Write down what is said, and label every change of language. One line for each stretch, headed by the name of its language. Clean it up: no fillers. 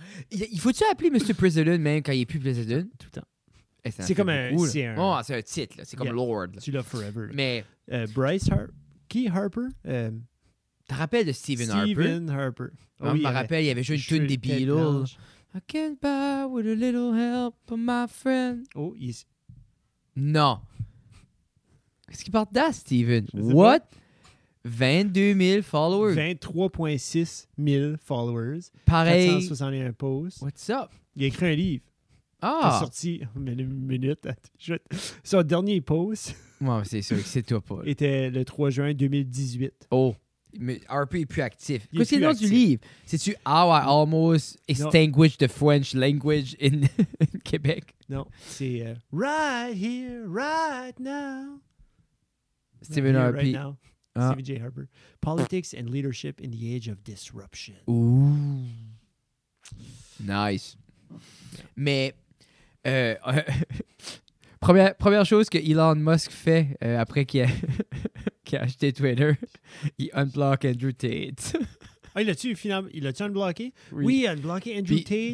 French: Il faut-tu appeler Mr. President même quand il est plus President? Tout le temps. C'est comme un. C'est un... Oh, c'est un titre, là. C'est comme Lord. Là. Tu l'as forever. Mais. Bryce Harper. Qui, Harper? Tu te rappelles de Stephen Harper. Oh, oui, je me rappelle, il y avait joué une tune des Beatles.
English: I can't buy with a little help from my friend.
French: Oh, il... Non. Qu'est-ce qu'il porte d'as, Stephen?
English: What? 22 000 followers. 23,6 000 followers.
French: Pareil.
English: 461 posts. What's up?
French: Il a écrit un livre. Ah! Il est sorti... Une minute. Son dernier post... Ouais, c'est sûr, excite-toi pas. ...était le 3 juin 2018. Oh! Mais Harper est plus actif. Qu'est-ce que c'est le nom du livre? C'est-tu How I Almost Extinguished the French Language in Québec? Non, c'est Right Here, Right Now.
English: Stephen Harper. Right now. Ah. Stephen J. Harper. Politics and Leadership in the Age of Disruption. Ooh. Nice.
French: Mais, première chose que Elon Musk fait après qu'il a. Qui a acheté Twitter, il unblock Andrew Tate. Ah, il l'a-tu finalement? Il l'a-tu unblocké? Oui, il a unblocké Andrew Tate.